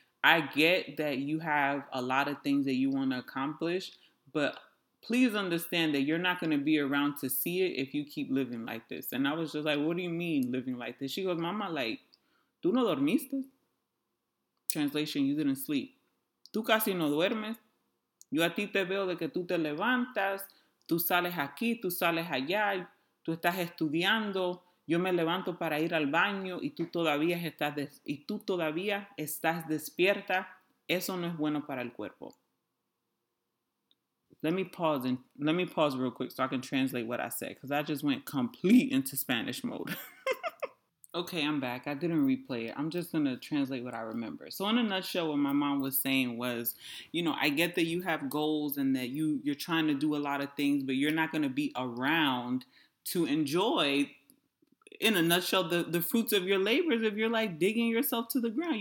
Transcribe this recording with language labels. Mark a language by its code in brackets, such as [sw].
[en] I get that you have a lot of things that you want to accomplish, but please understand that you're not going to be around to see it if you keep living like this. And I was just like, what do you mean living like this? She goes, mama, like, [es] tú no dormiste? [en] Translation, you didn't sleep. [es] Tú casi no duermes. Yo a ti te veo de que tú te levantas. Tú sales aquí, tú sales allá. Tú estás estudiando. Yo me levanto para ir al baño y tú todavía estás despierta. Eso no es bueno para el cuerpo. [en] Let me pause real quick so I can translate what I said, because I just went complete into Spanish mode. Okay, I'm back. I didn't replay it. I'm just going to translate what I remember. So in a nutshell, what my mom was saying was, you know, I get that you have goals and that you're trying to do a lot of things, but you're not going to be around to enjoy, in a nutshell, the fruits of your labors if you're like digging yourself to the ground.